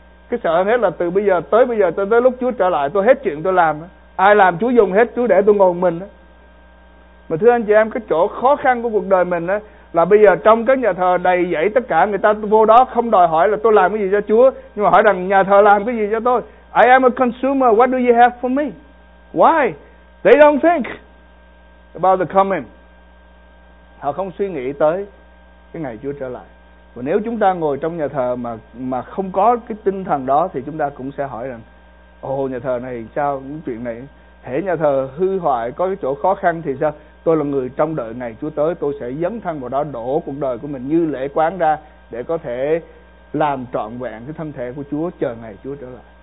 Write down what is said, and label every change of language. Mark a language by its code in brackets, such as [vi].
[vi] Cái sợ hơn hết là từ bây giờ tới lúc Chúa trở lại, tôi hết chuyện tôi làm. Ai làm Chúa dùng hết, Chúa để tôi ngồi mình. Mà thưa anh chị em, cái chỗ khó khăn của cuộc đời mình là bây giờ trong cái nhà thờ đầy dẫy tất cả, người ta vô đó không đòi hỏi là tôi làm cái gì cho Chúa, nhưng mà hỏi rằng nhà thờ làm cái gì cho tôi. [en] I am a consumer, what do you have for me? Why? They don't think about the coming. [vi] Họ không suy nghĩ tới cái ngày Chúa trở lại. Và nếu chúng ta ngồi trong nhà thờ mà không có cái tinh thần đó thì chúng ta cũng sẽ hỏi rằng ồ, nhà thờ này sao, những chuyện này, hễ nhà thờ hư hoại, có cái chỗ khó khăn thì sao? Tôi là người trong đợi ngày Chúa tới, tôi sẽ dấn thân vào đó, đổ cuộc đời của mình như lễ quán ra để có thể làm trọn vẹn cái thân thể của Chúa chờ ngày Chúa trở lại.